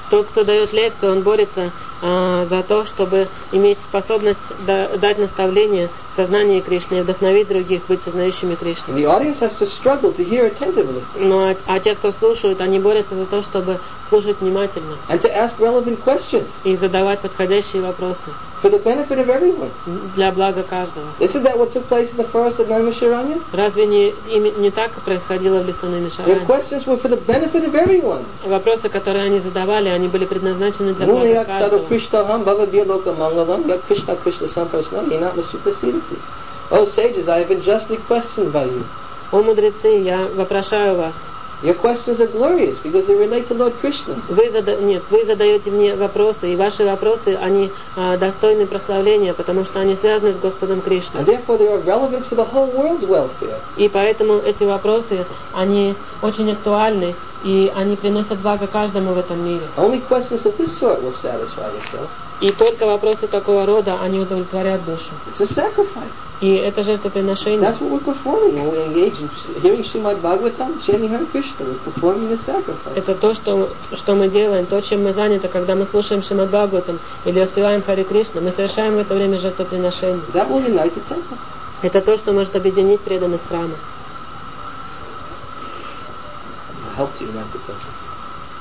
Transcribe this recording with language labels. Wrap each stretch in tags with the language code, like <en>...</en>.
<ru>Тот, кто дает лекцию, он борется за то, чтобы иметь способность дать наставление в сознании Кришны и вдохновить других быть сознающими Кришны.</ru> <en>And the audience has to struggle to hear attentively.</en> <ru>Но а те, кто слушают, они борются за то, чтобы слушать внимательно.</ru> <en>And to ask relevant questions.</en> <ru>И задавать подходящие вопросы.</ru> <en>For the benefit of everyone.</en> <ru>Для блага каждого.</ru> <en>Isn't that what took place in the forest at Naimisharanya?</en> <ru>Разве не так происходило в лесу Наймишаранья?</ru> <en>Their questions were for the benefit of everyone.</en> <ru>Вопросы, которые они задавали, они были предназначены для блага каждого.</ru> <sa>Krishnaham Bhagavya Loka Mangalam Yat Krishna Krishna Samprasna Inatma Supersidati.</sa> <en>O sages, I have been justly questioned by you.</en> <ru>О мудрецы, я вопрошаю вас.</ru> <en>Your questions are glorious because they relate to Lord Krishna.</en> <ru>Вы задаете мне вопросы, и ваши вопросы они достойны прославления, потому что они связаны с Господом Кришной.</ru> <en>And therefore they are relevant for the whole world's welfare.</en> <ru>И поэтому эти вопросы они очень актуальны, и они приносят благо каждому в этом мире.</ru> <en>Only questions of this sort will satisfy the soul.</en> <ru>И только вопросы такого рода они удовлетворят душу.</ru> <en>It's a sacrifice.</en> <ru>И это жертвоприношение.</ru> <en>That's what we're performing when we engage in hearing Srimad Bhagavatam, chanting Hare Krishna. We're performing a sacrifice.</en> <ru>Это то, что мы делаем, то, чем мы заняты, когда мы слушаем Шримад Бхагаватам или воспеваем Хари Кришна. Мы совершаем в это время жертвоприношение.</ru> <en>That will unite the temple.</en> <ru>Это то, что может объединить преданных храма.</ru> <en>Help to unite the temple.</en>